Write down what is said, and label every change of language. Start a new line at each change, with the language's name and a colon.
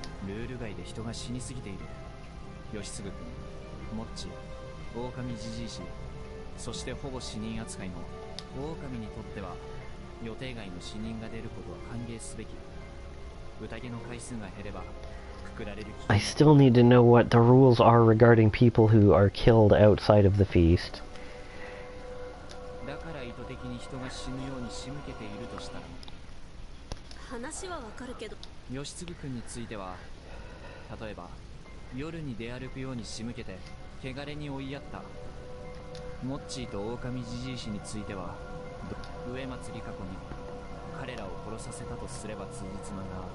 Japanese: ルール外で人が死にすぎている義嗣君、モッチ、狼ジジイ氏そしてほぼ死人扱いの狼にとっては予定外の死人が出ることは歓迎すべき宴の回数が減ればくくられる危険
English: I still need to know what the rules are regarding people who are killed outside of the feast
Japanese: だから意図的に人が死ぬように仕向けているとしたら話はわかるけど義嗣君については例えば夜に出歩くように仕向けて汚れに追いやったモッチーと狼ジジイ氏については上松理香子に彼らを殺させたとすれば辻褄が